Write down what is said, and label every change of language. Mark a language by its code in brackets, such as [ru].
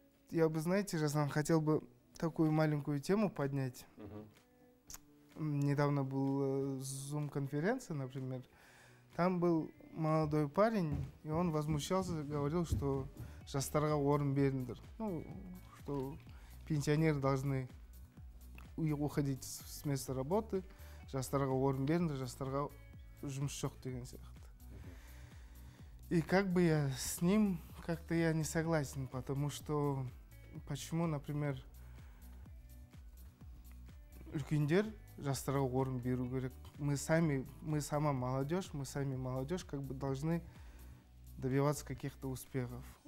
[ru] я бы, знаете, Жасан, хотел бы такую маленькую тему поднять. Угу. Недавно была зум-конференция, например. Там был молодой парень, и он возмущался, говорил, что [kk] жастарға орын беріндер. [ru] Ну, что пенсионеры должны уходить с места работы, [kk] жастарға орын беріндер, жастарға жұмыс жоқ деген сияқты. [ru] И как бы я с ним, как-то я не согласен, потому что, почему, например, [kk] үлкендер жастарға орын беру керек. [ru] Мы сами молодежь, как бы должны добиваться каких-то успехов.